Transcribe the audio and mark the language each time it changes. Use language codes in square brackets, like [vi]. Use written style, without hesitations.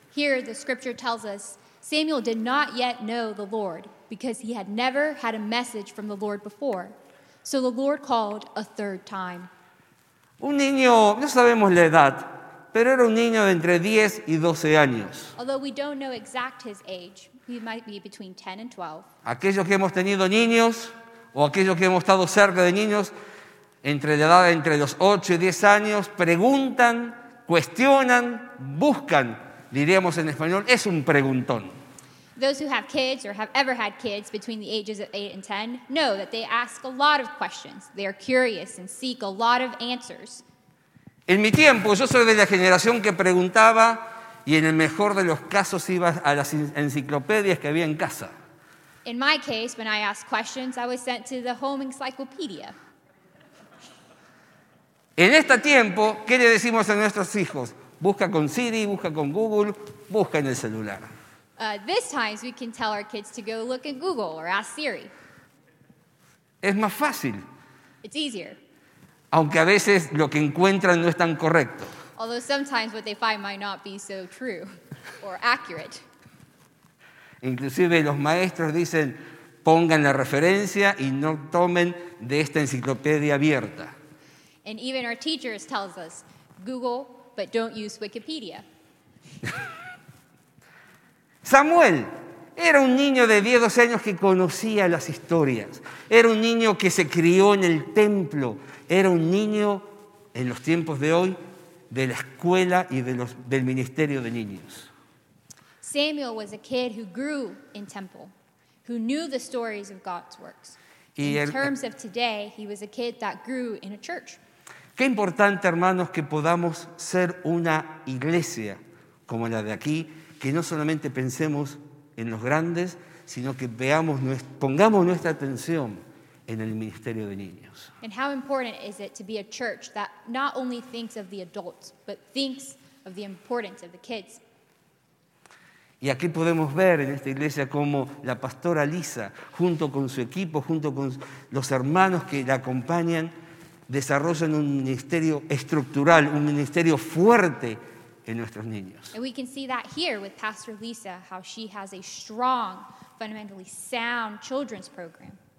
[en] Here the scripture tells us, Samuel did not yet know the Lord because he had never had a message from the Lord before. So the Lord called a third time. [es] Un niño, no sabemos la edad, pero era un niño de entre 10 y 12 años. [en] Although we don't know exact his age, he might be between 10 and 12. [es] Aquellos que hemos tenido niños, o aquellos que hemos estado cerca de niños, entre la edad entre los 8 y 10 años, preguntan, cuestionan, buscan, diríamos en español, es un preguntón. [en] Those who have kids or have ever had kids between the ages of 8 and 10 know that they ask a lot of questions. They are curious and seek a lot of answers. [es] En mi tiempo, yo soy de la generación que preguntaba y en el mejor de los casos iba a las enciclopedias que había en casa. [en] In my case, when I asked questions, I was sent to the home encyclopedia. [es] En este tiempo, ¿qué le decimos a nuestros hijos? Busca con Siri, busca con Google, busca en el celular. [en] This time, we can tell our kids to go look at Google or ask Siri. [es] Es más fácil. [en] It's easier. [es] Aunque a veces lo que encuentran no es tan correcto. [en] Although sometimes what they find might not be so true or accurate. [es] Inclusive los maestros dicen, pongan la referencia y no tomen de esta enciclopedia abierta. [en] And even our teachers tell us, Google, but don't use Wikipedia. [es] Samuel era un niño de 10, 12 años que conocía las historias. Era un niño que se crió en el templo. Era un niño, en los tiempos de hoy, de la escuela y del ministerio de niños. [en] Samuel was a kid who grew in temple, who knew the stories of God's works. In terms of today, he was a kid that grew in a church. [es] Qué importante, hermanos, que podamos ser una iglesia como la de aquí, que no solamente pensemos en los grandes, sino que veamos, pongamos nuestra atención en el ministerio de niños. [en] And how important is it to be a church that not only thinks of the adults, but thinks of the importance of the kids? [es] Y aquí podemos ver en esta iglesia cómo la pastora Lisa, junto con su equipo, junto con los hermanos que la acompañan, desarrollan un ministerio estructural, un ministerio fuerte en nuestros niños. [en] And we can see that here with Pastor Lisa, how she has a strong, fundamentally sound children's program.